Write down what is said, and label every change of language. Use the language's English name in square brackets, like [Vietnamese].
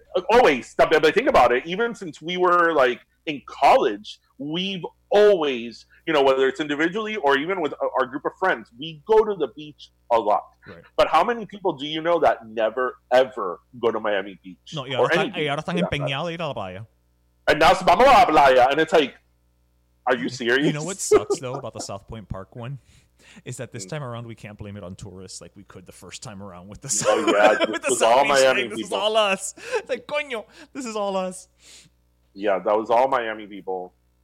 [English] Always. But think about it. Even since we were like in college, we've always, you know, whether it's individually or even with our group of friends, we go to the beach a lot. Right. But how many people do you know that never, ever go to Miami Beach? No, yeah. [Spanish] Ahora están empeñados a ir a la playa. [English] And now [Spanish] vamos a la playa. [English] And it's like, are you serious? You know what sucks though about the South Point Park one? Is that this time around we can't blame it on tourists like we could the first time around with the South Beach thing. This is all us. It's like, coño, this is all us. Yeah, that was all Miami people.